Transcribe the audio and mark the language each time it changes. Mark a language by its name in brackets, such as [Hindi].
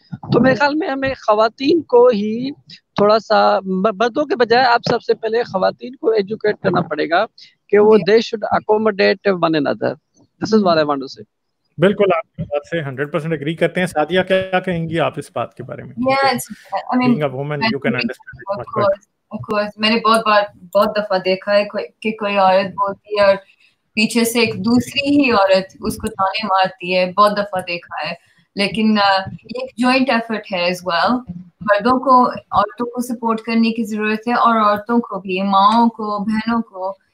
[Hindi] तो मेरे ख्याल में हमें खवातीन को ही थोड़ा सा मर्दों के बजाय आप सबसे पहले खवातीन को एजुकेट करना पड़ेगा कि वो [English] They should accommodate one another, this is what I want to say. [Hindi] बिल्कुल, आप से 100% एग्री करते हैं। सादिया, क्या कहेंगी आप इस बात के बारे में? [English] Yes, I mean, being a woman, you can understand it much better. Of course, [Hindi] मैंने बहुत दफा देखा है कि कोई औरत बोलती है और पीछे से एक दूसरी ही औरत उसको ताने मारती है, बहुत दफा देखा है, लेकिन एक जॉइंट एफर्ट है [English] as well. [Hindi] मर्दों को, औरतों को सपोर्ट करने की जरूरत है और औरतों को भी, माओं को, बहनों को,